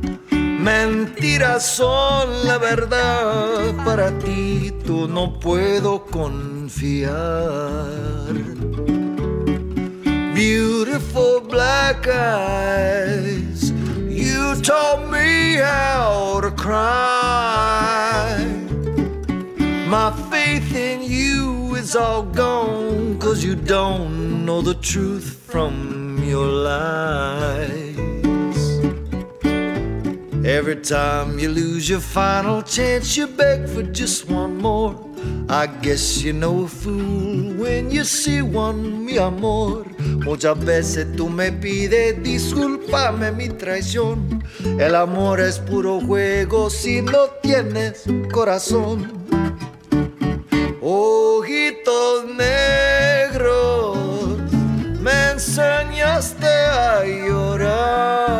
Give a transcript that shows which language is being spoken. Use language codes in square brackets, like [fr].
[es] Mentiras son la verdad, para ti tú no puedo confiar. [en] Beautiful black eyes, you taught me how to cry. My faith in you is all gone, 'cause you don't know the truth from your lies. Every time you lose your final chance, you beg for just one more. I guess you know a fool when you see one, [es] mi amor. Muchas veces tú me pides discúlpame mi traición. El amor es puro juego si no tienes corazón. Ojitos negros, me enseñaste a llorar.